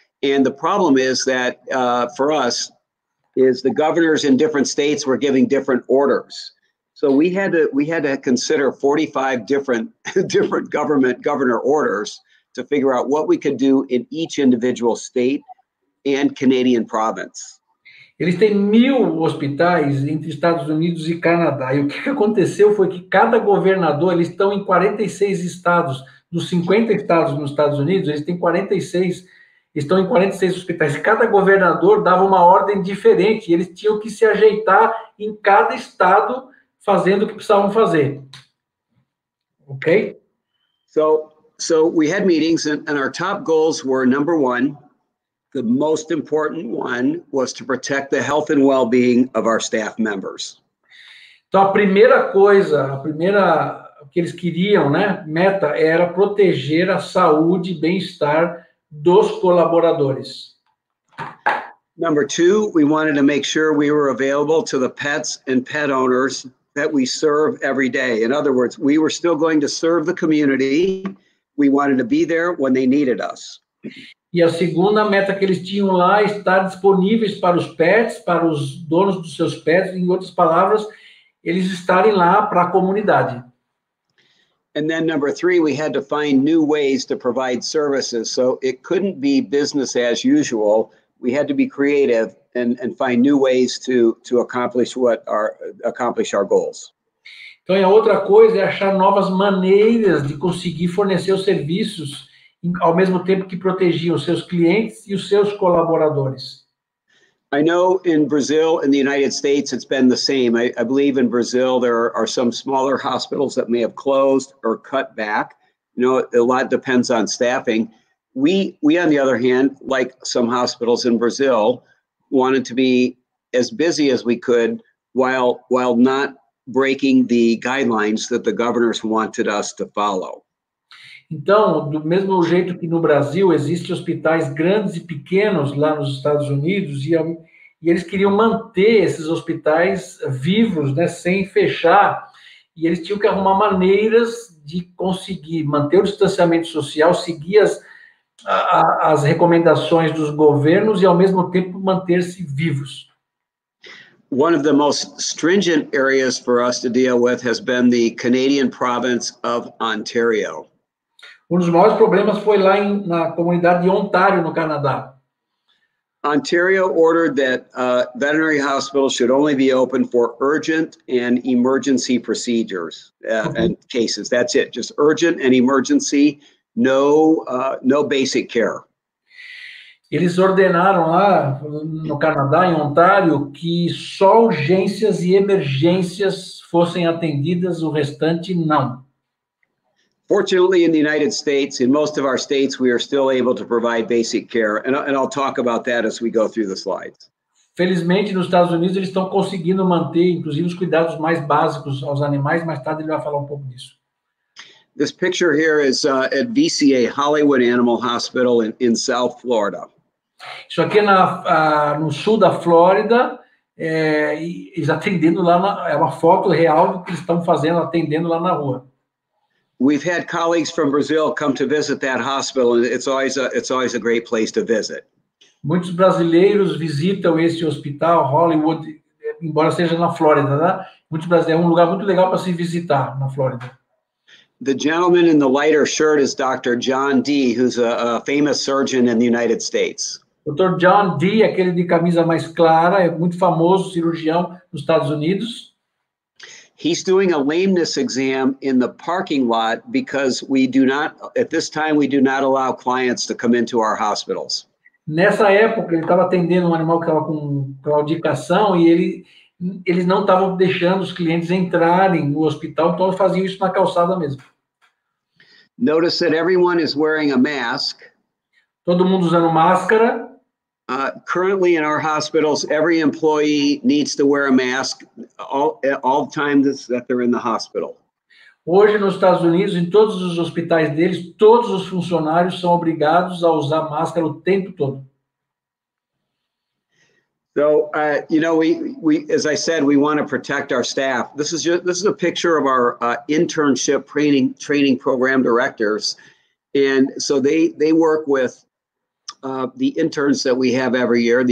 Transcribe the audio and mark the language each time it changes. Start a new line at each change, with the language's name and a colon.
English: And the problem is that, for us, is the governors in different states were giving different orders. So we had to consider 45 different governor orders to figure out what we could do in each individual state and Canadian province.
Portuguese: Eles têm 1,000 hospitais entre Estados Unidos e Canadá. E o que aconteceu foi que cada governador, eles estão em 46 estados, dos 50 estados nos Estados Unidos, eles têm 46, estão em 46 hospitais. Cada governador dava uma ordem diferente, eles tinham que se ajeitar em cada estado fazendo o que precisavam fazer. Ok?
English: So we had meetings, and our top goals were, number one, The most important one was to protect the health and well-being of our staff members.
Portuguese: Então, a primeira coisa, a primeira que eles queriam, né, meta, era proteger a saúde e bem-estar dos colaboradores.
English: Number two, we wanted to make sure we were available to the pets and pet owners that we serve every day. In other words, we were still going to serve the community. We wanted to be there when they needed us.
Portuguese: E a segunda meta que eles tinham lá é estar disponíveis para os pets, para os donos dos seus pets, em outras palavras, eles estarem lá para a comunidade.
English: And then number three, we had to find new ways to provide services. So it couldn't be business as usual. We had to be creative and find new ways to accomplish our goals.
Portuguese: Então, e a outra coisa é achar novas maneiras de conseguir fornecer os serviços ao mesmo tempo que protegiam os seus clientes e os seus colaboradores.
English: I know in Brazil, in the United States, it's been the same. I believe in Brazil, there are some smaller hospitals that may have closed or cut back. You know, a lot depends on staffing. We, on the other hand, like some hospitals in Brazil, wanted to be as busy as we could while not breaking the guidelines that the governors wanted us to follow.
Portuguese: Então, do mesmo jeito que no Brasil, existem hospitais grandes e pequenos lá nos Estados Unidos, e eles queriam manter esses hospitais vivos, né, sem fechar, e eles tinham que arrumar maneiras de conseguir manter o distanciamento social, seguir as recomendações dos governos e, ao mesmo tempo, manter-se vivos.
English: One of the most stringent areas for us to deal with has been the Canadian province of Ontario.
Portuguese: Um dos maiores problemas foi lá na comunidade de Ontário, no Canadá.
English: Ontario ordered that veterinary hospitals should only be open for urgent and emergency procedures and cases. That's it, just urgent and emergency, no basic care.
Portuguese: Eles ordenaram lá no Canadá, em Ontário, que só urgências e emergências fossem atendidas, o restante não.
English: Fortunately, in the United States, in most of our states, we are still able to provide basic care, and I'll talk about that as we go through the slides.
Portuguese: Felizmente, nos Estados Unidos, eles estão conseguindo manter, inclusive, os cuidados mais básicos aos animais. Mais tarde, ele vai falar um pouco disso.
English: This picture here is at VCA, Hollywood Animal Hospital, in South Florida.
Portuguese: Isso aqui é no sul da Flórida, eles atendendo lá, é uma foto real do que eles estão fazendo, atendendo lá na rua.
English: We've had colleagues from Brazil come to visit that hospital, and it's always a great place to visit.
Portuguese: Muitos brasileiros visitam esse hospital, Hollywood, embora seja na Flórida, né? Muitos brasileiros, é um lugar muito legal para se visitar na Flórida.
English: The gentleman in the lighter shirt is Dr. John D., who's a famous surgeon in the United States.
Portuguese: Dr. John D., aquele de camisa mais clara, é muito famoso cirurgião nos Estados Unidos.
English: He's doing a lameness exam in the parking lot because at this time we do not allow clients to come into our hospitals.
Portuguese: Nessa época ele estava atendendo um animal que estava com claudicação e eles não estavam deixando os clientes entrarem no hospital, então faziam isso na calçada mesmo.
English: Notice that everyone is wearing a mask.
Portuguese: Todo mundo usando máscara.
English: Currently in our hospitals, every employee needs to wear a mask all the time that they're in the hospital.
Portuguese: Hoje nos Estados Unidos, em todos os hospitais deles, todos os funcionários são obrigados a usar máscara o tempo todo.
English: So, you know, we as I said, we want to protect our staff. This is a picture of our internship training program directors, and so they work with the interns that we have every year.